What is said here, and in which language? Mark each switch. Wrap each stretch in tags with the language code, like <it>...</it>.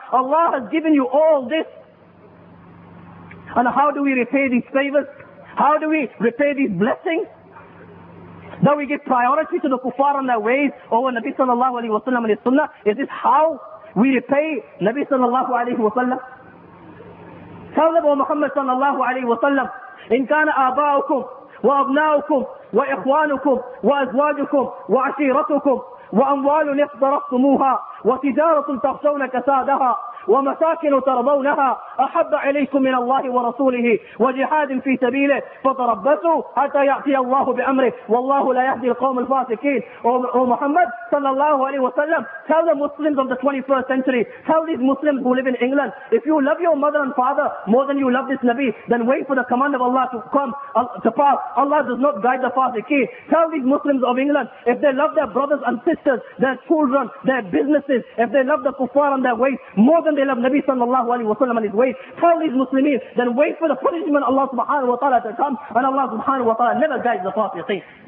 <en>Allah has given you all this, and how do we repay these favors? How do we repay these blessings? That we give priority to the kuffar and their ways over Nabi sallallahu alayhi wa sallam and his sunnah? Is this how we repay Nabi sallallahu alayhi wa sallam? Tell them, O Muhammad sallallahu alayhi wa sallam,</en> <ar>إن كان آباؤكم وأبناؤكم وإخوانكم وأزواجكم وعشيرتكم وأموال اقترفتموها وتجارة تخشون كسادها ومساكن ترضونها أحب إليكم من الله ورسوله وجهاد في سبيله فتربصوا حتى يأتي الله بأمره والله لا يهدي القوم الفاسقين.</ar> <en>O Muhammad sallallahu alayhi wa sallam, tell the Muslims of the 21st century, tell these Muslims who live in England, if you love your mother and father more than you love this Nabi, then wait for the command of Allah to come to pass. Allah does not guide the fasiqeen. Tell these Muslims of England, if they love their brothers and sisters, their children, their businesses, if they love the kuffar and their ways more than they love Nabi sallallahu alayhi wa sallam and his ways, tell these Muslims, then wait for the punishment Allah subhanahu wa ta'ala to come, and Allah subhanahu wa ta'ala never guides the fasiqeen.</en>